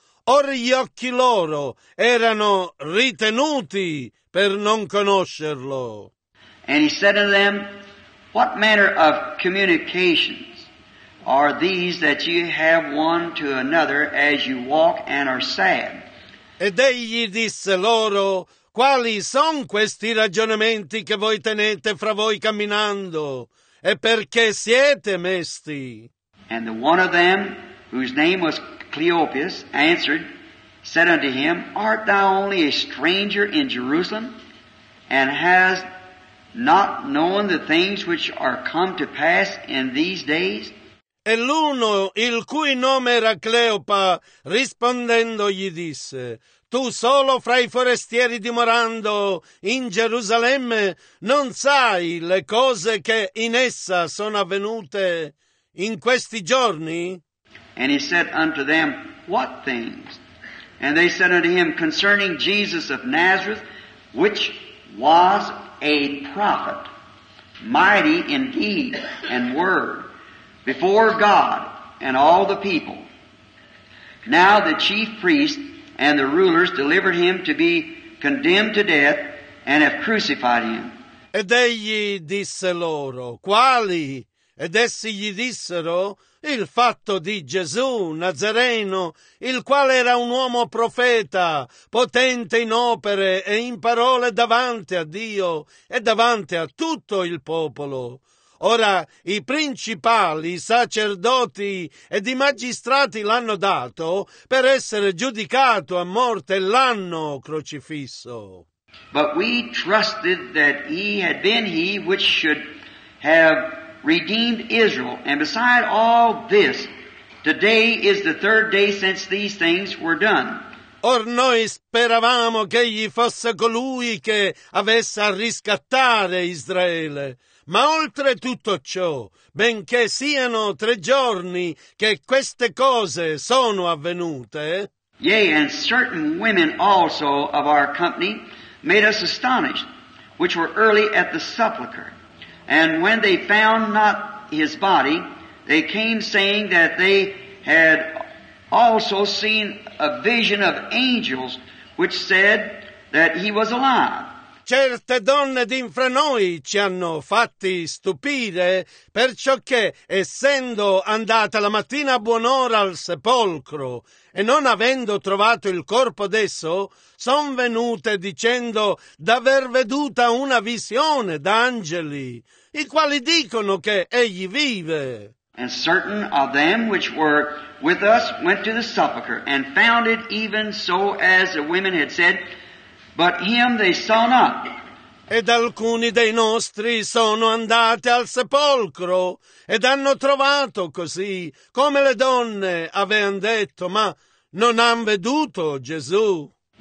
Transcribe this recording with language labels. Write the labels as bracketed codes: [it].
[it] Or gli occhi loro erano ritenuti per non conoscerlo. [en] And he said to them, what manner of communication are these that you have one to another as you walk and are sad? [it] Ed egli disse loro, quali son questi ragionamenti che voi tenete fra voi camminando, e perché siete mesti? [en] And the one of them, whose name was Cleopas, answered, said unto him, art thou only a stranger in Jerusalem, and hast not known the things which are come to pass in these days? [it] E l'uno, il cui nome era Cleopa, rispondendo gli disse, tu solo fra i forestieri dimorando in Gerusalemme non sai le cose che in essa sono avvenute in questi giorni? [en] And he said unto them, what things? And they said unto him, concerning Jesus of Nazareth, which was a prophet, mighty in deed and word, before God and all the people. Now the chief priests and the rulers delivered him to be condemned to death and have crucified him. [it] Ed egli disse loro, quali? Ed essi gli dissero, il fatto di Gesù Nazareno, il quale era un uomo profeta, potente in opere e in parole davanti a Dio e davanti a tutto il popolo. Ora i principali, i sacerdoti ed i magistrati l'hanno dato per essere giudicato a morte e l'hanno crocifisso. [en] But we trusted that he had been he which should have redeemed Israel. And beside all this, today is the third day since these things were done. [it] Or noi speravamo che egli fosse colui che avesse a riscattare Israele. Ma oltre tutto ciò, benché siano 3 giorni che queste cose sono avvenute, [en] yea, and certain women also of our company made us astonished, which were early at the sepulchre, And when they found not his body, they came saying that they had also seen a vision of angels which said that he was alive. [it] Certe donne d'infra noi ci hanno fatti stupire, perciò che, essendo andata la mattina a buon'ora al sepolcro, e non avendo trovato il corpo d'esso, son venute dicendo d'aver veduta una visione d'angeli, i quali dicono che egli vive. [en] And certain of them which were with us went to the sepulchre, and found it even so as the women had said, but him they saw not. [it] Ed alcuni dei nostri sono andati al sepolcro ed hanno trovato così come le donne avean detto, ma non han veduto Gesù.